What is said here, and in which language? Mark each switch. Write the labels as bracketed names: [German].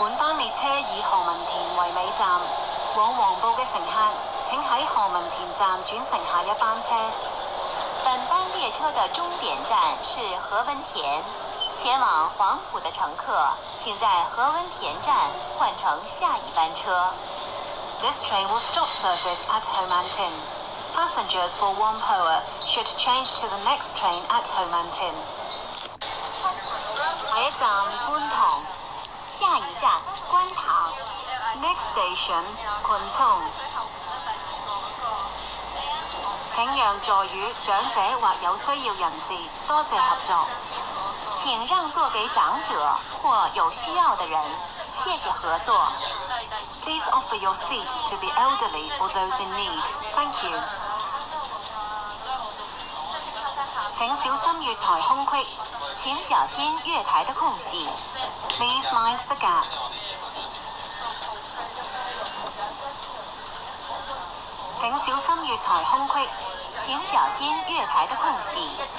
[Chinese] 本班列车以何文田为尾站，往黄埔的乘客请在何文田站转乘下一班车。本班列车的终点站是何文田，前往黄埔的乘客请在何文田站换乘下一班车。 [English] This train will stop service at Ho Man Tin. Passengers for Whampoa should change to the next train at Ho Man Tin. [Chinese] 下一站观塘，下一站观塘。 [English] Next station, 观塘。 [Chinese] 请让座与长者或有需要人士，多谢合作。请让座给长者或有需要的人，谢谢合作。 [English] Please offer your seat to the elderly or those in need. Thank you. [Chinese] 请小心月台空隙，请小心月台的空隙。 [English] Please mind the gap. [Chinese] 请小心月台空隙，请小心月台的空隙。